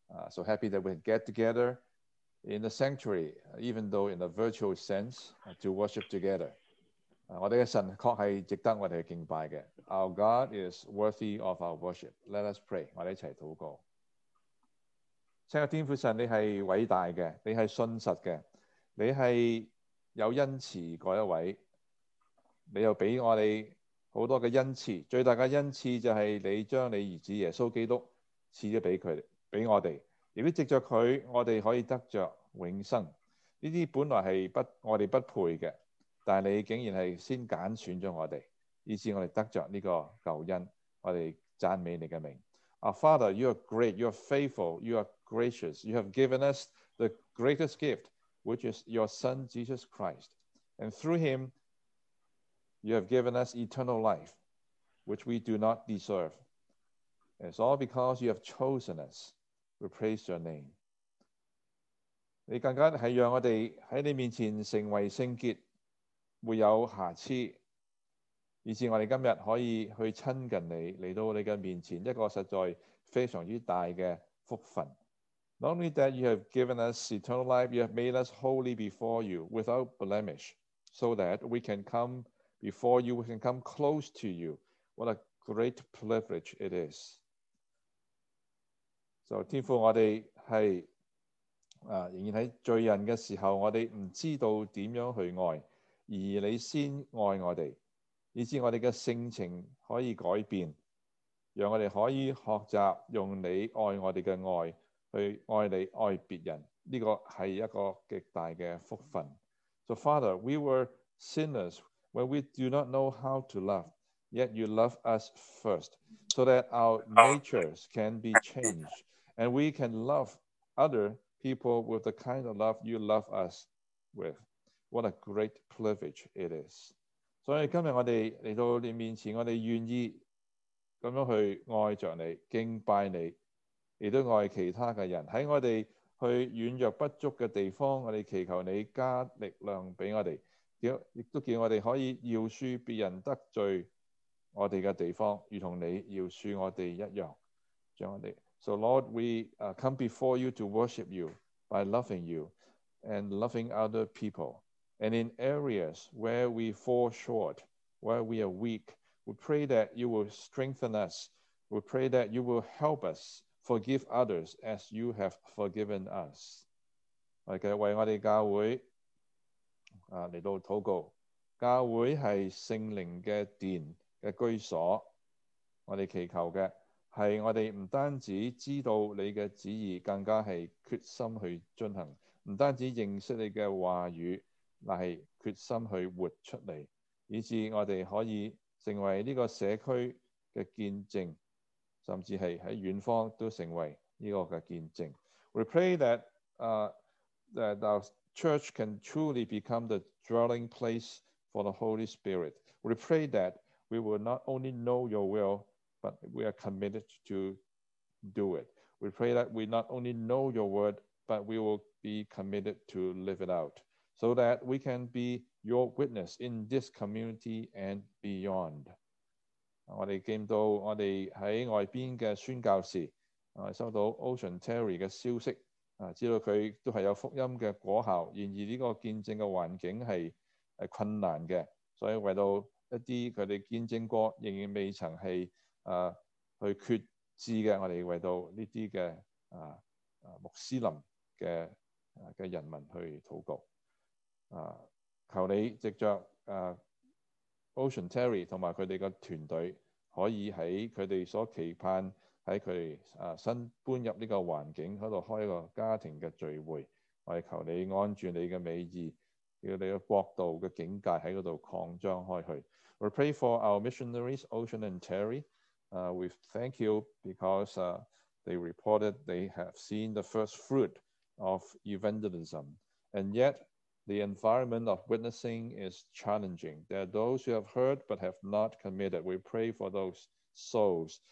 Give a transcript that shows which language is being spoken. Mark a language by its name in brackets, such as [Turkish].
[English] So happy that we can get together in the sanctuary, even though in a virtual sense, to worship together. [Chinese] 我们的神确是值得我们敬拜的。 [English] Our God is worthy of our worship. Let us pray. [Chinese] 我们一起祷告。亲爱的天父神，你是伟大的，你是信实的，你是有恩慈的一位，你又给我们很多的恩慈，最大的恩慈就是你将你儿子耶稣基督赐了给他们。给我们，而藉着祂，我们可以得着永生。这些本来是我们不配的，但你竟然是先拣选了我们，以致我们得着这个救恩。我们赞美你的名。 [English] Our Father, you are great, you are faithful, you are gracious. You have given us the greatest gift, which is your Son, Jesus Christ. And through him, you have given us eternal life, which we do not deserve. It's all because you have chosen us. We praise your name. [Chinese] 你更加是让我们在你面前成为圣洁，没有瑕疵，以致我们今天可以去亲近你，来到你的面前，一个实在非常大的福分。 [English] Not only that you have given us eternal life, you have made us holy before you without blemish, so that we can come before you, we can come close to you. What a great privilege it is. [Chinese] So, 天父，我们是仍然在罪人的时候，我们不知道怎样去爱，而你先爱我们，以致我们的性情可以改变，让我们可以学习用你爱我们的爱去爱你爱别人，这个是一个极大的福分。 [English] So Father, we were sinners when we do not know how to love, yet you love us first, so that our natures can be changedAnd we can love other people with the kind of love you love us with. What a great privilege it is. [Chinese] So, 今天我们来到你面前，我们愿意这样去爱着你，敬拜你，也都爱其他的人。在我们去软弱不足的地方，我们祈求你加力量给我们，也都叫我们可以饶恕别人得罪我们的地方，如同你饶恕我们一样，将我们 [English] So Lord, we come before you to worship you by loving you and loving other people. And in areas where we fall short, where we are weak, we pray that you will strengthen us. We pray that you will help us forgive others as you have forgiven us. [Chinese] 我们为我们教会来到祷告。教会是圣灵的殿的居所，我们祈求的。是我们不单止知道你的旨意，更加是决心去进行，不单止认识你的话语，乃是决心去活出来，以致我们可以成为这个社区的见证，甚至是在远方都成为这个的见证。 [English] We pray that, that our church can truly become the dwelling place for the Holy Spirit. We pray that we will not only know your willBut we are committed to do it. We pray that we not only know your word, but we will be committed to live it out so that we can be your witness in this community and beyond. [Chinese] 我们见到我们在外边的宣教士，收到 Ocean Terry 的消息，知道他都是有福音的果效，然而这个见证的环境是困难的，所以为到一些他们见证过仍然未曾是去决志的，我们为到这些的穆斯林 的人民去祷告。求你藉着Ocean Terry 和他们的团队，可以在他们所期盼在他新搬入这个环境那里开一个家庭的聚会，我们求你按住你的美意，叫你的国度的境界在那里扩张开去。 [English] We pray for our missionaries, Ocean and Terry. We thank you because they reported they have seen the first fruit of evangelism. And yet, the environment of witnessing is challenging. There are those who have heard but have not committed. We pray for those souls.